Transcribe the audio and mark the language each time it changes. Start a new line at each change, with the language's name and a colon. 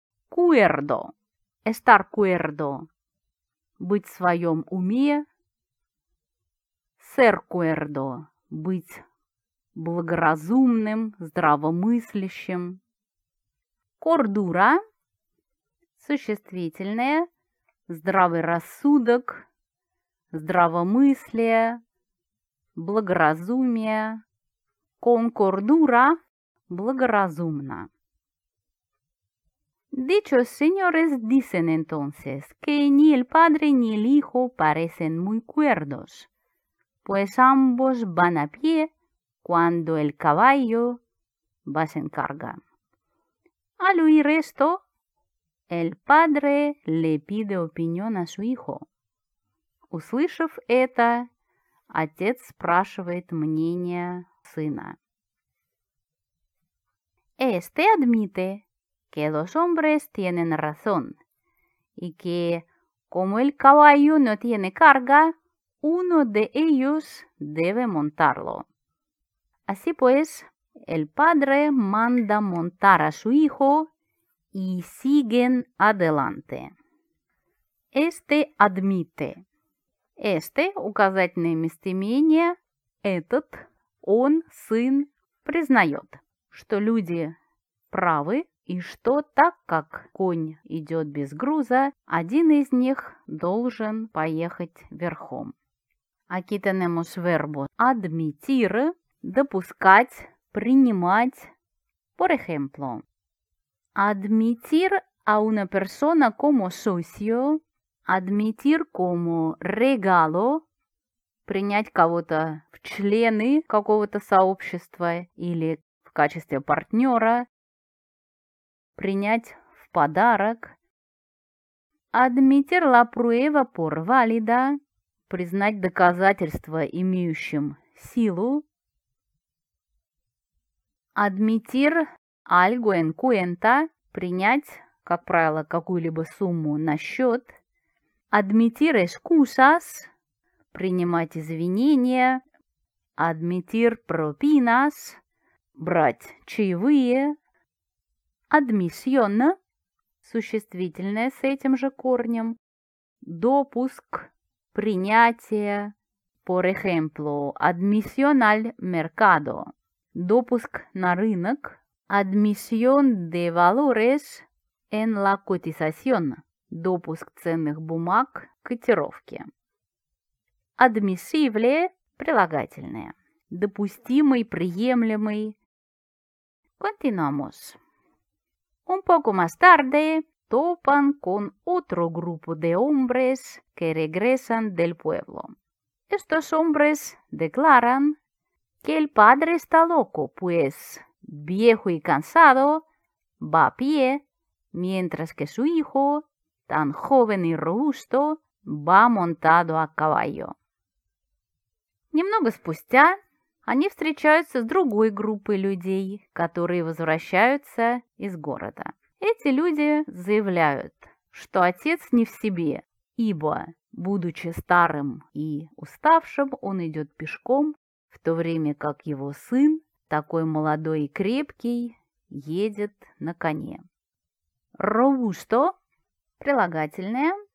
Spanish: Cuerdo – estar cuerdo
Russian: – быть в своем уме,
Spanish: ser cuerdo,
Russian: быть благоразумным, здравомыслящим,
Spanish: cordura,
Russian: существительное, здравый рассудок, здравомыслие, благоразумие,
Spanish: con cordura,
Russian: благоразумно.
Spanish: Dichos señores dicen entonces que ni el padre ni el hijo parecen muy cuerdos, pues ambos van a pie cuando el caballo va sin carga. Al oír esto, el padre le pide opinión a su hijo.
Russian: Услышав это, отец спрашивает мнение сына.
Spanish: Este admite que los hombres tienen razón y que, como el caballo no tiene carga, uno de ellos debe montarlo. Así pues, el padre manda montar a su hijo y siguen adelante. Este admite. Este,
Russian: указательное местоимение, этот, он, сын, признает, что люди правы, и что так как конь идет без груза, один из них должен поехать верхом.
Spanish: Aquí tenemos verbo admitir,
Russian: допускать, принимать.
Spanish: Por ejemplo, admitir a una persona como socio, admitir como regalo,
Russian: принять кого-то в члены какого-то сообщества или в качестве партнера. Принять в подарок.
Spanish: Admitir la prueba por válida.
Russian: Признать доказательство, имеющим силу.
Spanish: Admitir algo en cuenta.
Russian: Принять, как правило, какую-либо сумму на счет.
Spanish: Admitir excusas.
Russian: Принимать извинения.
Spanish: Admitir propinas.
Russian: Брать чаевые.
Spanish: Admisión,
Russian: существительное с этим же корнем, допуск, принятие,
Spanish: por ejemplo, admisión al mercado,
Russian: допуск на рынок,
Spanish: admisión de valores en la cotización,
Russian: допуск ценных бумаг, котировки.
Spanish: Admisible,
Russian: прилагательное, допустимый, приемлемый.
Spanish: Continuamos. Un poco más tarde, topan con otro grupo de hombres que regresan del pueblo. Estos hombres declaran que el padre está loco, pues, viejo y cansado, va a pie, mientras que su hijo, tan joven y robusto, va montado a caballo.
Russian: Немного спустя, они встречаются с другой группой людей, которые возвращаются из города. Эти люди заявляют, что отец не в себе, ибо, будучи старым и уставшим, он идет пешком, в то время как его сын, такой молодой и крепкий, едет на коне.
Spanish: Robusto
Russian: – прилагательное,